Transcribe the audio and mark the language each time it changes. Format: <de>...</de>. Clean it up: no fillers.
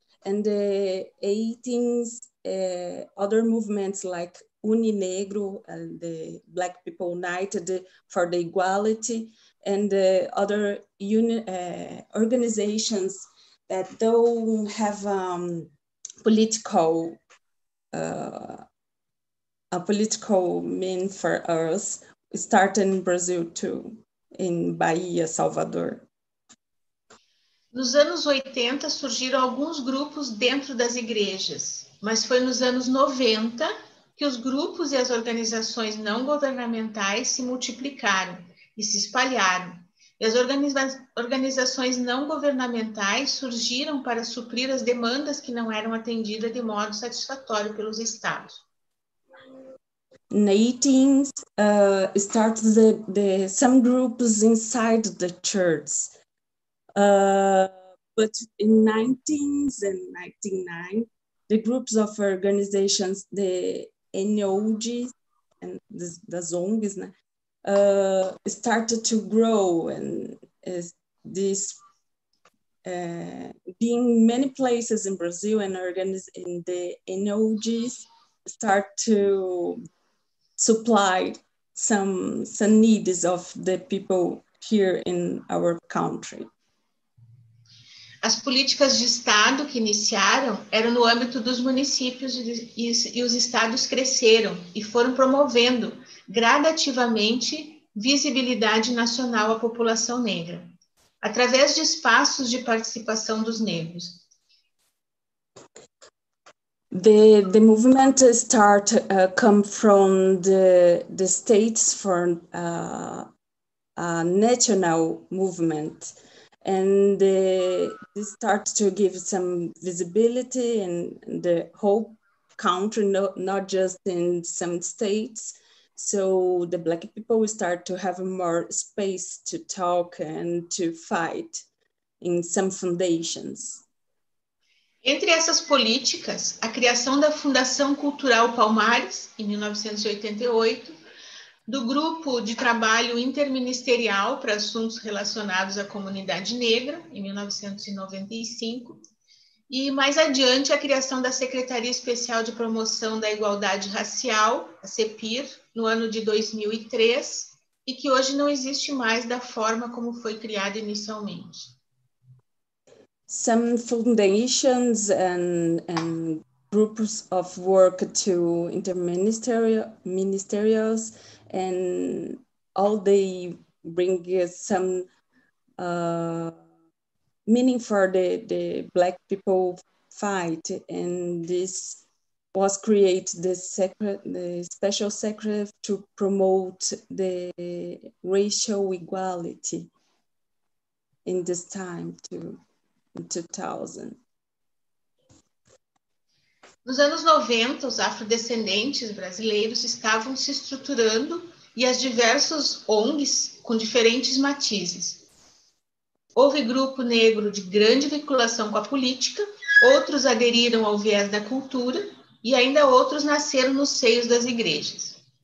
<en>And the 18 other movements like Uninegro and the Black People United for the Equality and the other organizations that don't have political a political mean for us, starting in Brazil too, in Bahia, Salvador.</en> <pt>Nos anos 80 surgiram alguns grupos dentro das igrejas, mas foi nos anos 90 que os grupos e as organizações não governamentais se multiplicaram e se espalharam. E as organizações não governamentais surgiram para suprir as demandas que não eram atendidas de modo satisfatório pelos estados.</pt> <en>Na 18th, started the some groups inside the church. But in 19th and 1999, the groups of organizations, the NGOs and the ZONGs, né, started to grow and is this being many places in Brazil and in the NGOs start to supply some needs of the people here in our country.</en> <pt>As políticas de Estado que iniciaram eram no âmbito dos municípios e os estados cresceram e foram promovendo gradativamente visibilidade nacional à população negra, através de espaços de participação dos negros.</pt> <en>The movement start come from the states for a national movement. And they start to give some visibility in the whole country, not just in some states. So the Black people start to have more space to talk and to fight in some foundations.</en> <pt>Entre essas políticas, a criação da Fundação Cultural Palmares, em 1988, do Grupo de Trabalho Interministerial para Assuntos Relacionados à Comunidade Negra, em 1995, e mais adiante a criação da Secretaria Especial de Promoção da Igualdade Racial, a CEPIR, no ano de 2003, e que hoje não existe mais da forma como foi criada inicialmente.</pt> <en>Some foundations and groups of work to interministerials, and all they bring some meaning for the Black people fight, and this was create the special secretary to promote the racial equality in this time too. 2000.</en> <pt>Nos anos 90, os afrodescendentes brasileiros estavam se estruturando e as diversas ONGs com diferentes matizes. Houve grupo negro de grande vinculação com a política, outros aderiram ao viés da cultura e ainda outros nasceram nos seios das igrejas.</pt>